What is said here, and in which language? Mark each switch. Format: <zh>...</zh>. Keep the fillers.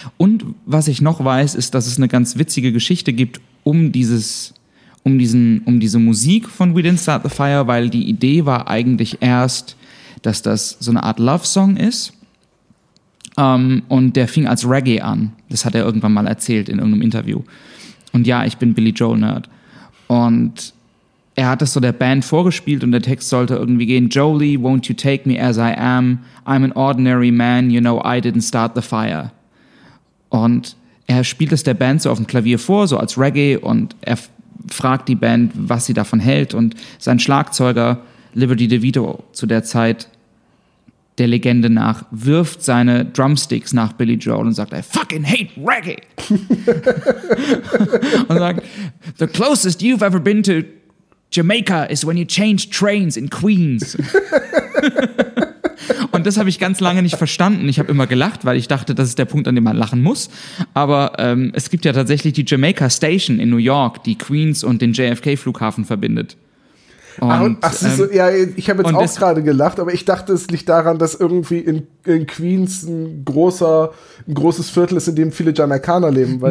<de>Und was ich noch weiß, ist, dass es eine ganz witzige Geschichte gibt um dieses, um diesen, um diese Musik von We Didn't Start the Fire, weil die Idee war eigentlich erst, dass das so eine Art Love-Song ist. Ähm, und der fing als Reggae an. Das hat er irgendwann mal erzählt in irgendeinem Interview. Und ja, ich bin Billy Joel Nerd. Und er hat das so der Band vorgespielt und der Text sollte irgendwie gehen:</de> <en>Jolie, won't you take me as I am? I'm an ordinary man, you know, I didn't start the fire.</en> <de>Und er spielt es der Band so auf dem Klavier vor, so als Reggae, und er f- fragt die Band, was sie davon hält. Und sein Schlagzeuger, Liberty DeVito, zu der Zeit der Legende nach, wirft seine Drumsticks nach Billy Joel und sagt,</de> <en>I fucking hate Reggae.</en> <de>und sagt,</de> <en>the closest you've ever been to Jamaica is when you change trains in Queens.</en> <de>Und das habe ich ganz lange nicht verstanden. Ich habe immer gelacht, weil ich dachte, das ist der Punkt, an dem man lachen muss. Aber ähm, es gibt ja tatsächlich die Jamaica Station in New York, die Queens und den JFK-Flughafen verbindet. Und, Ach, und- ach siehst du, ähm, ja, ich habe jetzt und auch das- gerade gelacht, aber ich dachte, es liegt daran, dass irgendwie in, in Queens ein, großer, ein großes Viertel ist, in dem viele Jamaikaner leben, weil,</de>